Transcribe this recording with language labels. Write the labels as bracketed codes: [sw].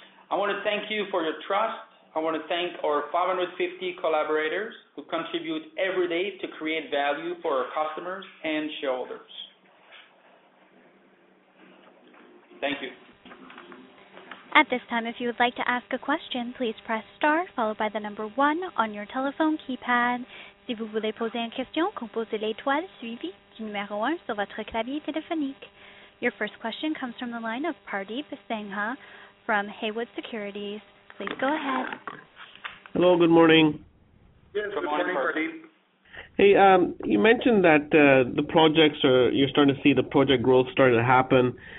[en] I want to thank you for your trust. I want to thank our 550 collaborators who contribute every day to create value for our customers and shareholders. Thank you. At this time, if you would like to ask a question, please press star followed by the number 1 on your telephone keypad. [fr] Si vous voulez poser une question, composez l'étoile suivie du numéro 1 sur votre clavier téléphonique. [en] Your first question comes from the line of Pardeep Sangha from Haywood Securities. Please go ahead. Hello, good morning. Yes, good morning, Pardeep. Hey, you mentioned that the projects are, you're starting to see the project growth starting to happen.